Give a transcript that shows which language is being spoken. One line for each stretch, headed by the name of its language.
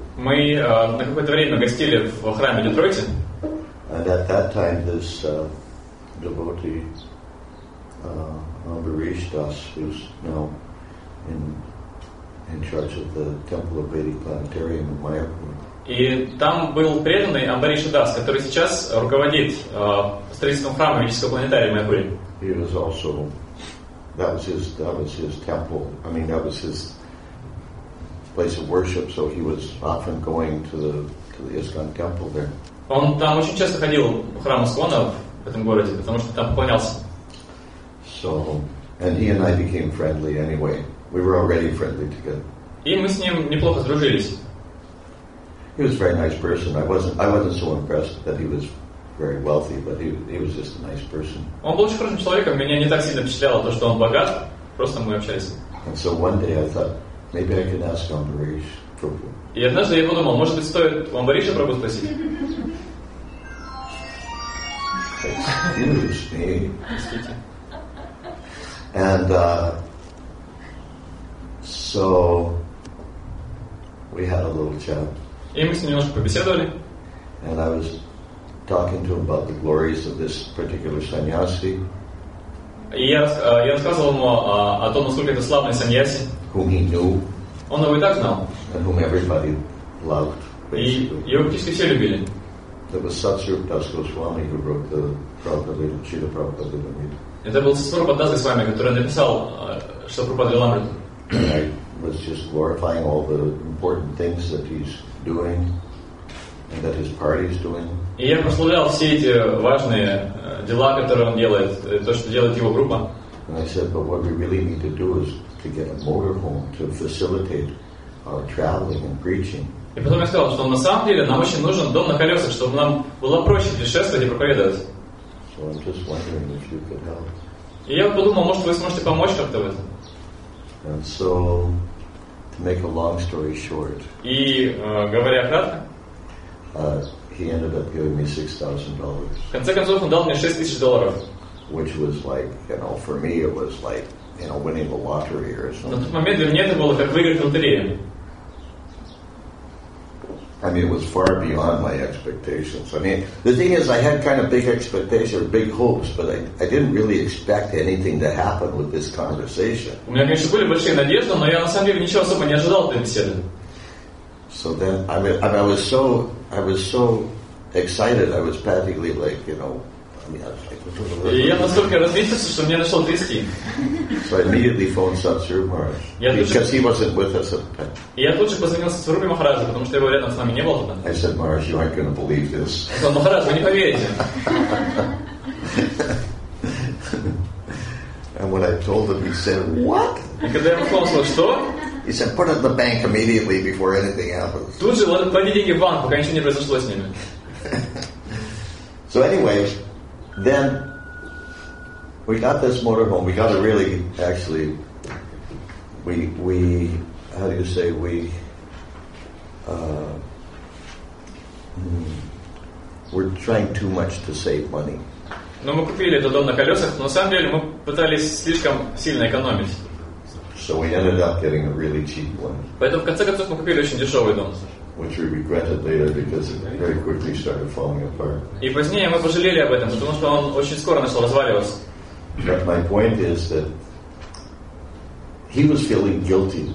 Russian: Мы на какое-то время гостили в храме Детройте.
English: And at that time, this devotee, Ambarish Das, who's now in charge of the Temple of Vedic Planetarium in Mayapur.
Russian: И там был преданный Амбариша Дас, который сейчас руководит строительством храма Ведического планетария в Майапуре.
English: He was also, that was his temple. I mean, that was his place of worship. So he was often going to the ISKCON temple there.
Russian: Он там очень часто ходил в храм Искона в этом городе, потому что там поклонялся.
English: So, and he and I became friendly anyway. We were already friendly together.
Russian: И мы с ним неплохо сдружились.
English: He was a very nice person. I wasn't so impressed that he was very wealthy, but he was just a nice person.
Russian: Он был очень хорошим человеком. Меня не так сильно впечатляло то, что он богат. Просто мы общались.
English: And so one day I thought maybe I could ask Ambarish Prabhu.
Russian: И однажды я подумал, может быть, стоит Ambarish Prabhu спросить.
English: Excuse me. And so we had a little chat.
Russian: И мы с ним немножко побеседовали.
English: And I was talking to him about the glories of this particular sannyasi.
Russian: Я рассказывал ему о том, насколько это славный сannyasi.
English: Whom he knew.
Russian: Он его и так знал.
English: And whom everybody loved. Basically.
Russian: И его практически все любили.
English: There was Satsurupa Das Goswami who wrote the Prabhupada Chita Prabhupada Lilamrita.
Russian: Это был Satsurupa Das Goswami, который написал Chita Prabhupada Lilamrita.
English: I was just glorifying all the important things that he's doing and that his party is doing.
Russian: И я прославлял все эти важные дела, которые он делает, то, что делает его группа.
English: And I said, but what we really need to do is to get a motorhome to facilitate our traveling and preaching.
Russian: И потом я сказал, что на самом деле нам очень нужен дом на колесах, чтобы нам было проще путешествовать и проповедовать.
English: So I'm just wondering if you could help.
Russian: И я подумал, может, вы сможете помочь как-то в этом.
English: And so, to make a long story short, he ended up giving me $6,000.
Russian: В конце концов, он дал мне $6,000.
English: Which was like, you know, for me, it was like, you know, winning the lottery or something.
Russian: На тот момент для меня это было как выиграть лотерею.
English: I mean, it was far beyond my expectations. I mean, the thing is, I had kind of big expectations or big hopes, but I didn't really expect anything to happen with this conversation.
Russian: У меня, конечно, были большие надежды, но я на самом деле ничего особо не ожидал от этой беседы.
English: So then, I mean, I was so excited. I was practically like, you know, I mean, I was like.
Russian: Я настолько разбился, что мне нашел трясти.
English: So I immediately phoned Satsurupa Maharaj because he wasn't with us at the time.
Russian: Я тут же позвонил Сатсурупе Махараджу, потому что его рядом с нами не было.
English: I said, Maharaj, you aren't going to believe this.
Russian: Махарадж, вы не поверите.
English: And when I told him, he said, "What?"
Russian: И когда я сказал, что?
English: He said, put it in the bank immediately before anything happens.
Russian: Тут же, клади деньги в банк, пока ничего не произошло с ними.
English: So anyway, then we got this motorhome. We got a really, actually, we're trying too much to save money.
Russian: Но мы купили этот дом на колесах, но на самом деле мы пытались слишком сильно экономить.
English: So we ended up getting a really cheap one.
Russian: Поэтому в конце концов мы купили очень дешевый дом.
English: Which we regretted later because it very quickly started falling apart.
Russian: И позднее мы пожалели об этом, потому что он очень скоро начал разваливаться.
English: But my point is that he was feeling guilty.